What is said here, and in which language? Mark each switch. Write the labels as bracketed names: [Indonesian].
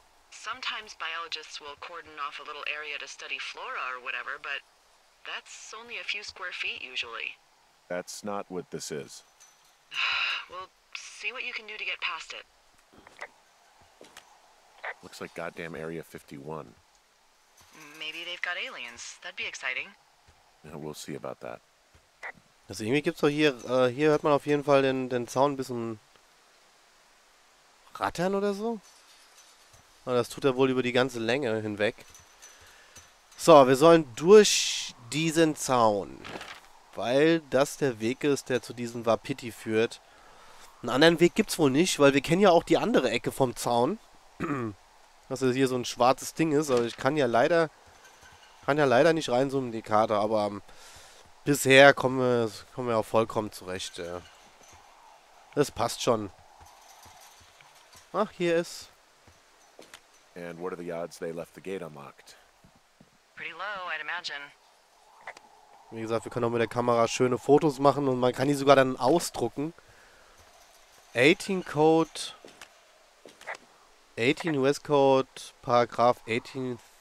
[English] Sometimes biologists will cordon off a little area to study flora or whatever, but that's only a few square feet usually. That's not what this is. We'll see what you can do to get past it. Looks like goddamn Area 51. Maybe they've got aliens. That'd be exciting. Yeah, we'll see about that. [German] Also irgendwie gibt's doch hier, hier hört man auf jeden Fall den Zaun ein bisschen rattern oder so. Das tut er wohl über die ganze Länge hinweg. So, wir sollen durch diesen Zaun. Weil das der Weg ist, der zu diesem Wapiti führt. Einen anderen Weg gibt's wohl nicht, weil wir kennen ja auch die andere Ecke vom Zaun. Dass es hier so ein schwarzes Ding ist. Also ich kann ja leider nicht reinzoomen in die Karte. Aber bisher kommen wir auch vollkommen zurecht. Das passt schon. Ach, hier ist... [English] And what are the odds they left the gate unlocked? Pretty low, I'd imagine. [German] Wie gesagt, wir können auch mit der Kamera schöne Fotos machen und man kann die sogar dann ausdrucken. 18 Code. [English] 18 US Code, Paragraph 18